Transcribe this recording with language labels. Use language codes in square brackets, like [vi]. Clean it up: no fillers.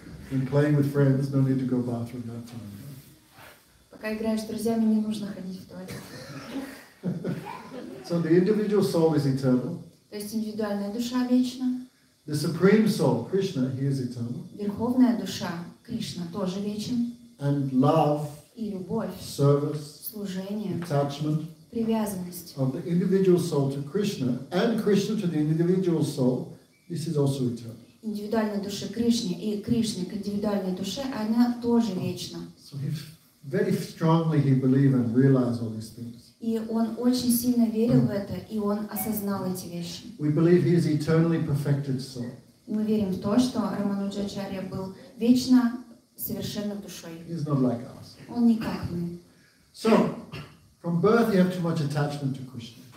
[en] And playing with friends, no need to go bathroom that time. [ru] Пока играешь с друзьями, не нужно ходить в туалет. [en] So the individual soul is eternal. [ru] То есть индивидуальная душа вечна. [en] The supreme soul, Krishna, he is eternal. [ru] Верховная душа Кришна тоже вечен. [en] And love. [ru] И любовь. [en] Service. [ru] Служение. [en] Attachment. [ru] Привязанность. [en] Of the individual soul to Krishna and Krishna to the individual soul, this is also eternal. [ru] Индивидуальной душе Кришне и Кришне к индивидуальной душе, она тоже вечна. [en] So he very strongly he believed and realized all these things. [ru] И он очень сильно верил в это, и он осознал эти вещи. [en] We believe he is eternally perfected soul. [ru] Мы верим в то, что Рамануджачарья был вечно совершенной душой. [en] He is not like us. [ru] Он не как мы. [en] So, from birth he had too much attachment to Krishna.